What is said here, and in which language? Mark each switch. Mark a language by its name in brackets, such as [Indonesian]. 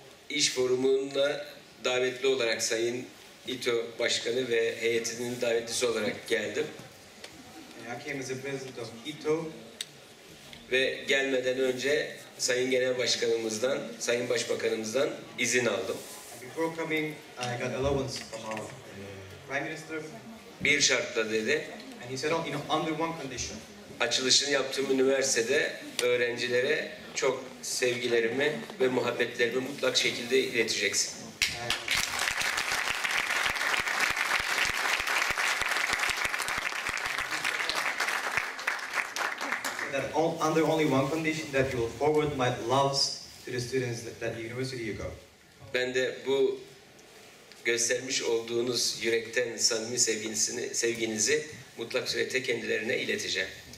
[Turkish] İş forumuna davetli olarak Sayın İTÖ Başkanı ve heyetinin davetlisi olarak geldim. [English] I came as a president of İTÖ. [Turkish] Ve gelmeden önce Sayın Genel Başkanımızdan, Sayın Başbakanımızdan izin aldım. [English] Before coming, I got allowance from our Prime Minister. [Turkish] Bir şartla dedi. [English] And he said, you know, under one condition. [Turkish] Açılışını yaptığım üniversitede öğrencilere çok sevgilerimi ve muhabbetlerimi mutlak şekilde ileteceksin. [English] Under only one condition, that you will forward my loves to the students that the university you go. [Turkish] Ben de bu göstermiş olduğunuz yürekten samimi sevginizi mutlak surette kendilerine ileteceğim.